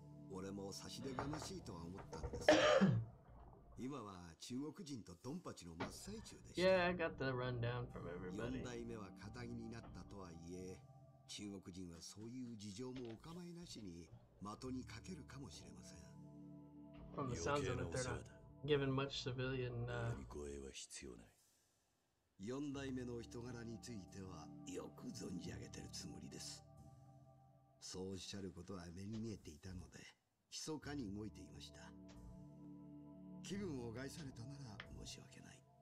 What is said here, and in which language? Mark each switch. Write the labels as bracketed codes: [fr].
[ja] 俺も差し出がましいとは思ったんです。今は中国人とドンパチの真っ最中でした。 [en] Yeah, I got the rundown from everybody. [ja] 四代目は堅気になったとはいえ、中国人はそういう事情もお構いなしに的にかけるかもしれません。 [en] From the sounds of it, they're not given much civilian [ja] 護衛は必要ない。四代目の人柄についてはよく存じ上げてるつもりです。そうおっしゃることは目に見えていたので密かに動いていました。気分を害されたなら申し訳ない。